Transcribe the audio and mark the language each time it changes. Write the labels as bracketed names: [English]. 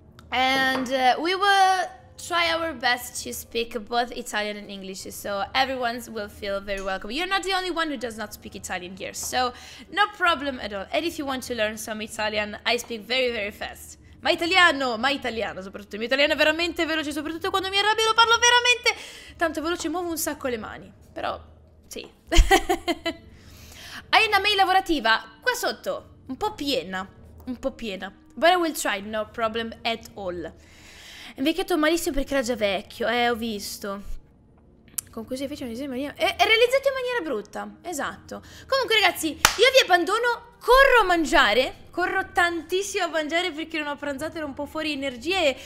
[English] And we will try our best to speak both Italian and English, so everyone will feel very welcome. You're not the only one who does not speak Italian here, so no problem at all. And if you want to learn some Italian, I speak very, very fast. [Italian] Ma italiano, soprattutto. Il mio italiano è veramente veloce, soprattutto quando mi arrabbio lo parlo veramente tanto veloce, muovo un sacco le mani. Però, sì. Hai una mail lavorativa? Qua sotto, un po' piena. [English] But I will try, no problem at all. [Italian] È invecchiato malissimo perché era già vecchio, ho visto. Con cui si fece un disegno in maniera... È realizzato in maniera brutta, esatto. Comunque ragazzi, io vi abbandono, corro tantissimo a mangiare perché non ho pranzato, ero un po' fuori energie.